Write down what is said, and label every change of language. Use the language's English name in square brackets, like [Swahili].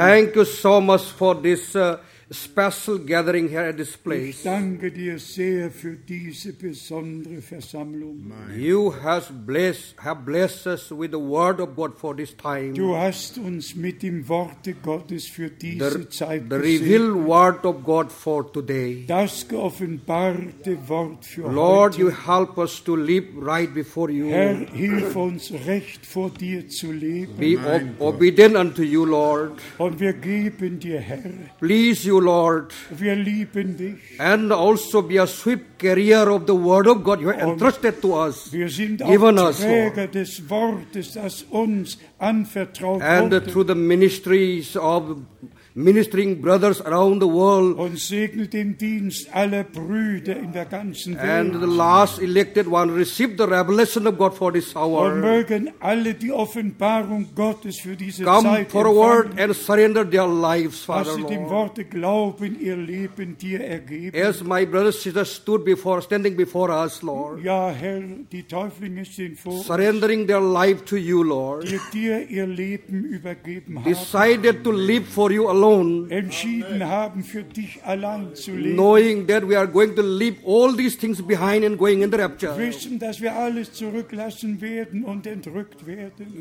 [English] Thank you so much for this special gathering here at this place. [German] Ich danke dir sehr für diese besondere Versammlung. [English] You have blessed us with the Word of God for this time. [German] Du hast uns mit dem Worte Gottes für diese Zeit [English] The revealed Word of God for today. [German] Das geoffenbarte Wort für [English] Lord, [German] heute. [English] Lord, you help us to live right before you. [German] Herr, hilf uns recht vor dir zu leben. [English] Be obedient unto you, Lord. [German] Und wir geben dir, Herr. [English] Please, you Lord, [German] wir lieben dich. [English] And also be a swift carrier of the word of God you have entrusted to us, [German] wir sind [English] given [German] auch Träger des Wortes, das uns anvertraut wurde. [English] And through the ministries of ministering brothers around the world, [German] und segne den Dienst aller Brüder in der ganzen Welt. [English] And the last elected one receive the revelation of God for this hour. [German] Und mögen alle die Offenbarung Gottes für diese Zeit empfangen. [English] Come forward and surrender their lives, Father Lord. [German] Dass sie dem Worte glauben, ihr Leben dir ergeben. [English] As my brothers and sisters standing before us, Lord. [German] Ja, Herr, die Täuflinge sind vor uns. [English] Surrendering their life to you, Lord. [German] Die dir ihr Leben übergeben haben. [English] Decided to live for you alone, [German] entschieden haben für dich allein zu leben, [English] knowing that we are going to leave all these things behind and going in the rapture. [German] Wissen, dass wir alles zurücklassen werden und entrückt werden.